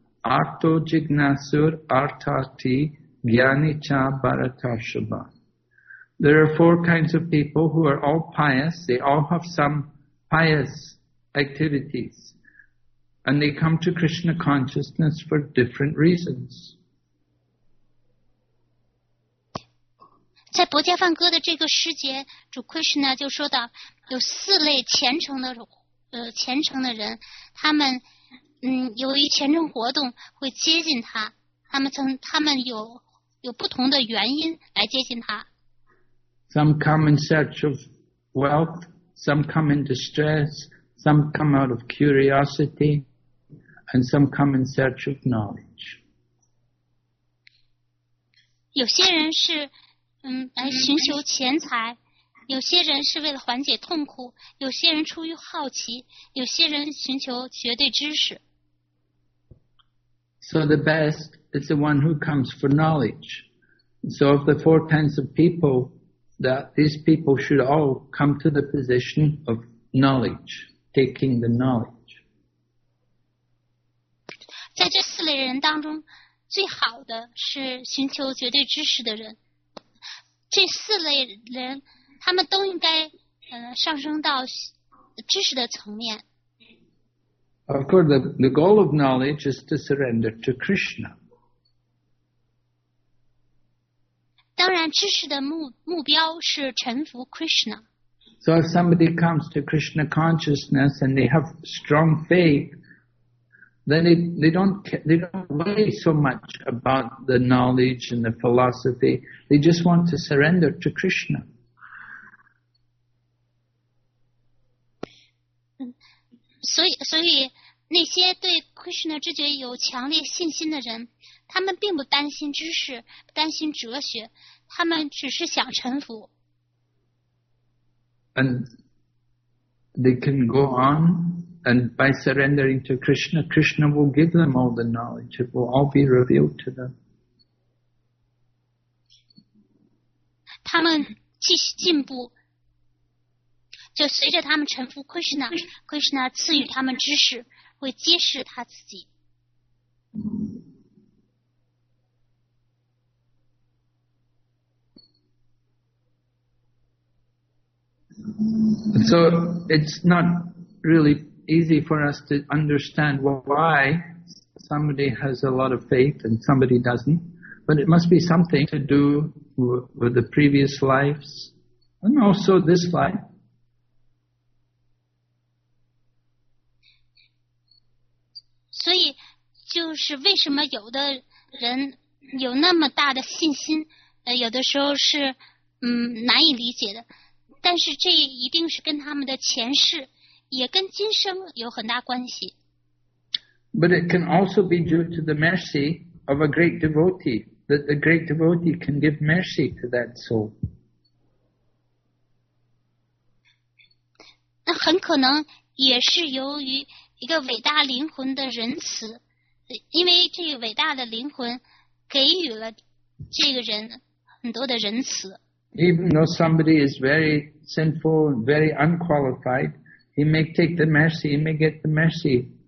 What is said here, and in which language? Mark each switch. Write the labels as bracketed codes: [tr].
[sa] Arto Jignasur Artati Gyanicha Bharatashabha. [en] There are four kinds of people who are all pious. They all have some pious activities. And they come to Krishna consciousness for different reasons. [zh] 在《薄伽梵歌》的这个诗节，主 Krishna 就说到，有四类虔诚的人，他们由于虔诚活动会接近他，他们有不同的原因来接近他。 [en] Some come in search of wealth, some come in distress, some come out of curiosity, and some come in search of knowledge. [zh] 有些人是来寻求钱财，有些人是为了缓解痛苦，有些人出于好奇，有些人寻求绝对知识。 [en] So the best is the one who comes for knowledge. So of the four kinds of people, that these people should all come to the position of knowledge, taking the knowledge. [zh] 在这四类人当中，最好的是寻求绝对知识的人。这四类人，他们都应该上升到知识的层面。 [en] Of course, the goal of knowledge is to surrender to Krishna. [zh] 当然，知识的目标是臣服 Krishna. [en] So if somebody comes to Krishna consciousness and they have strong faith, then they don't worry so much about the knowledge and the philosophy. They just want to surrender to Krishna. [zh] 所以那些对 Krishna 知觉有强烈信心的人，他们并不担心知识，不担心哲学，他们只是想臣服。 [en] And they can go on, and by surrendering to Krishna, Krishna will give them all the knowledge. It will all be revealed to them. [zh] 他们继续进步，就随着他们臣服 Krishna, Krishna 赐予他们知识。会揭示他自己。 [en] So it's not really easy for us to understand why somebody has a lot of faith and somebody doesn't, but it must be something to do with the previous lives and also this life. [zh] 所以就是为什么有的人有那么大的信心，有的时候是难以理解的，但是这一定是跟他们的前世也跟今生有很大关系。 [en] But it can also be due to the mercy of a great devotee, that the great devotee can give mercy to that soul. [zh] 那很可能也是由于一个伟大灵魂的仁慈，因为这个伟大的灵魂给予了这个人很多的仁慈。 [en] Even though somebody is very sinful, very unqualified, he may take the mercy, he may get the mercy.